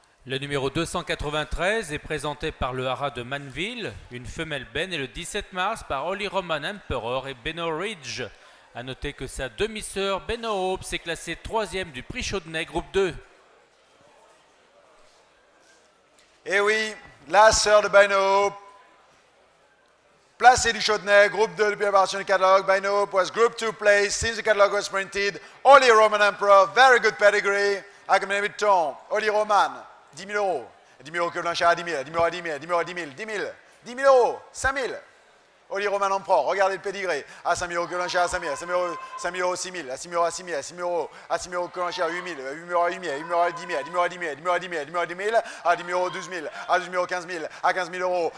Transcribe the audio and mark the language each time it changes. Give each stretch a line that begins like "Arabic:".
French: Le numéro 293 est présenté par le Hara de Manville, une femelle Ben, et le 17 mars par Holy Roman Emperor et Benno Ridge. A noter que sa demi-sœur Benno Hope s'est classée 3e du prix Chaudenay groupe 2. Et oui, la sœur de Benno Hope, placée du Chaudenay groupe 2 depuis la version du catalogue.
English: Benno Hope was group 2 place since the catalogue was printed. Holy Roman Emperor, very good pedigree.
French: Agamemnon Vuitton, Holy Roman. 10 000 euros. 10 000 euros que l'on cherche à 10 000. 10 000 euros à 10 000. 10 000 euros à 10 000. 10 000. 10 000 euros. 5 000. Holy Roman Emperor. Regardez le pédigré. À 5 000 euros que l'on cherche à 5 000. 5 000 euros à 6 000. À 6 000 euros à 6 000. À 6 000 euros. À 6 000 euros que l'on cherche à 8 000. 8 000 euros à 8 000. 8 000 euros à 10 000. 10 000 euros à 10 000. 10 000 euros à 10 000. 10 000 euros à 10 000. À 10 000 euros à 12 000. À 12 000 euros à 15 000. À 15 000 euros.